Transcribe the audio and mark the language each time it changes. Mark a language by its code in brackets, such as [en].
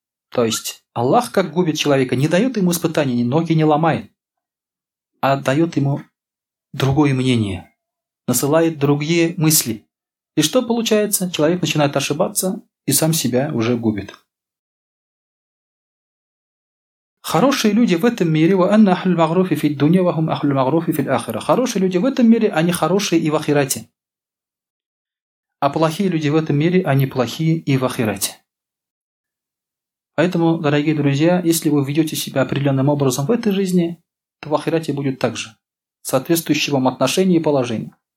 [ru] То есть Аллах, как губит человека, не дает ему испытаний, ноги не ломает, а дает ему другое мнение, насылает другие мысли. И что получается? Человек начинает ошибаться и сам себя уже губит. Хорошие люди в этом мире, [ar] وَأَنَّ أَحْلُ الْمَغْرُوفِ فِي الدُّنْيَا وَهُمْ أَحْلُ الْمَغْرُوفِ فِي الْآخِرَةِ. [ru] Хорошие люди в этом мире, они хорошие и в ахирате. А плохие люди в этом мире, они плохие и в ахирате. Поэтому, дорогие друзья, если вы ведете себя определенным образом в этой жизни, то в ахирате будет так же, в соответствующем вам отношении и положении.